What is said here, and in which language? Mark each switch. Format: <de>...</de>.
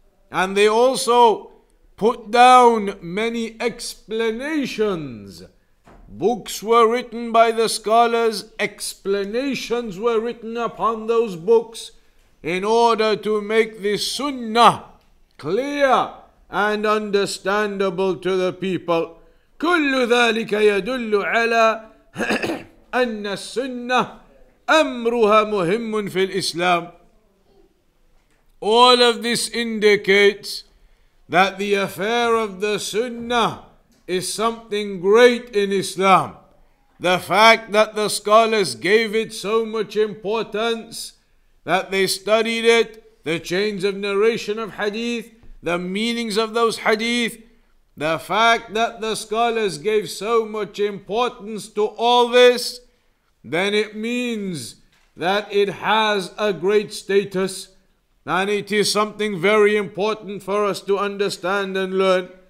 <en>And they also put down many explanations. Books were written by the scholars, explanations were written upon those books in order to make this Sunnah clear and understandable to the people.</en> <ar>كل ذلك يدل على أن السنة أمرها مهم في الإسلام.</ar> <en>All of this indicates that the affair of the Sunnah is something great in Islam. The fact that the scholars gave it so much importance, that they studied it, the chains of narration of hadith, the meanings of those hadith, the fact that the scholars gave so much importance to all this, then it means that it has a great status and it is something very important for us to understand and learn.</en>